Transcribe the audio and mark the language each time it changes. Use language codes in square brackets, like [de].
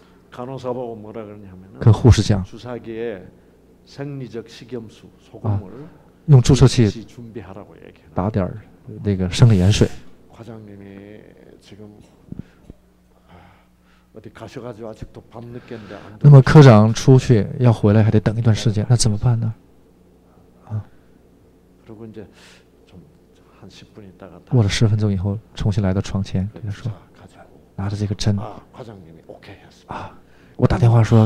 [ko] 간호사가 뭐라 그러냐면 [zh] 그 护士讲, [ko] 주사기에 생리적 식염수 소금을 [zh] 用 注射器 [ko] 준비하라고 얘기해요. [zh] 打点那个生理盐水. [ko] 과장님이 지금 어디 가셔가지고 아직도 밤 늦게인데. [zh] 那么科长出去要回来还得等一段时间，那怎么办呢？ [ko] 그리고 이제 좀 한 10분 있다가 [zh] 过了10分钟以后，重新来到床前，对他说，拿着这个针。 [ko] 과장님이 오케이 했습니다.